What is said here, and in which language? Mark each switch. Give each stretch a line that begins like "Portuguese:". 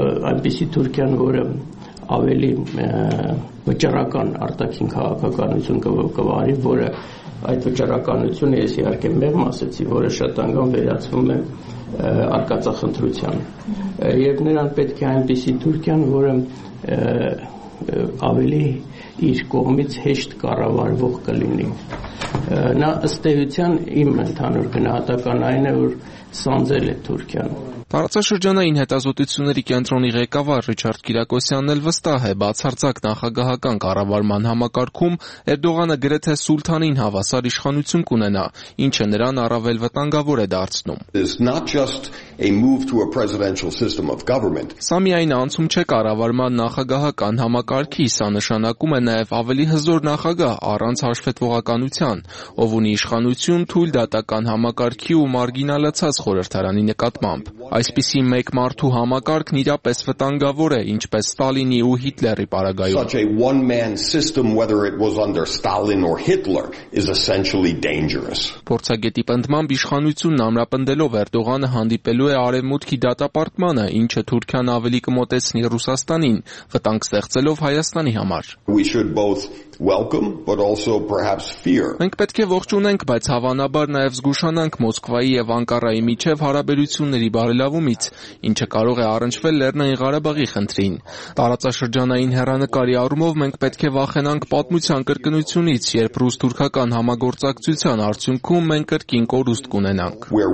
Armenian: այնպիսի Թուրքիան, որը ավելի վճռական արտաքին քաղաքականություն կվարի, որը այդ վճռականությունը, ես իհարկե մեղմ ասեցի, որը շատ անգամ վերածվում է արկածախնդրության, և նրան պետք է այնպիսի Թուրքիան, որը ավելի իր կողմից հեշտ կառավարվող կլինի։ Նա ըստ էության իմ ընդհանուր գնահատական այն է, որ սանձել է Թուրքիան։ Տարածաշրջանային հետազոտությունների կենտրոնի ղեկավար Ռիչարդ Կիրակոսյանն էլ վստահ է, բացարձակ նախագահական կառավարման համակարգում Էրդողանը գրեթե սուլթանին հավասար իշխանություն կունենա, ինչը նրան առավել վտանգավոր է դարձնում։
English: It's not just a move to a presidential system of government.
Armenian: Սա միայն անցում չէ կառավարման նախագահական համակարգի, սա նշանակում է նաև ավելի հզոր նախագահ առանց հաշվետվողականության, ով ունի իշխանություն թույլ դատական համակարգի ու մարգինալացած խորհրդարանի նկատմամբ։ Այսպիսի մեկ մարդու համակարգն իրապես վտանգավոր է, ինչպես Ստալինի ու Հիտլերի պարագայում։
English: Such a one-man system, whether it was under Stalin or Hitler, is essentially dangerous.
Armenian: Փորձագետի պնդմամբ իշխանությունն ամրապնդելով Էրդողանը հանդիպելու է արևմուտքի դատապարտմանը, ինչը Թուրքիան ավելի կմոտեցնի Ռուսաստանին, վտանգ ստեղծելով Հայաստանի համար։
English: We should both welcome but also perhaps fear.
Armenian: Մենք պետք է ողջունենք, բայց հավանաբար նաև զգուշանանք Մոսկվայի եւ Անկարայի միջև հարաբերությունների բարելավումը։ ավելավումից, ինչը կարող է առնչվել Լեռնային Ղարաբաղի խնդրին։ Տարածաշրջանային հեռանկարի առումով մենք պետք է վախենանք պատմության կրկնությունից, երբ ռուս-թուրքական համագործակցության արդյունքում մենք կրկին կորուստ կունենանք։